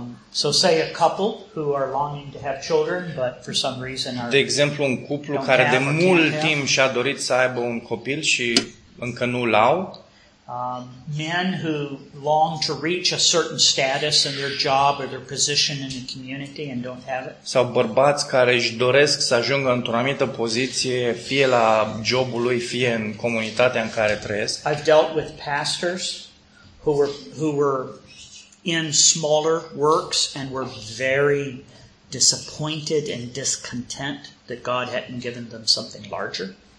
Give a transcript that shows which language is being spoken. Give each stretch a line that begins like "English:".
English: So say a couple who are longing to have children but for some reason are,
Romanian: de exemplu, un cuplu care de mult timp și-a dorit să aibă un copil și încă nu l-au.
English: Men who long to reach a certain status in their job or their position in the community and don't have it.
Romanian: Sau bărbați care își doresc să ajungă într-o anumită poziție, fie la jobul lui, fie în comunitatea în care trăiesc.
English: I've dealt with pastors who were in smaller works and were very disappointed and discontent that God hadn't given them something larger.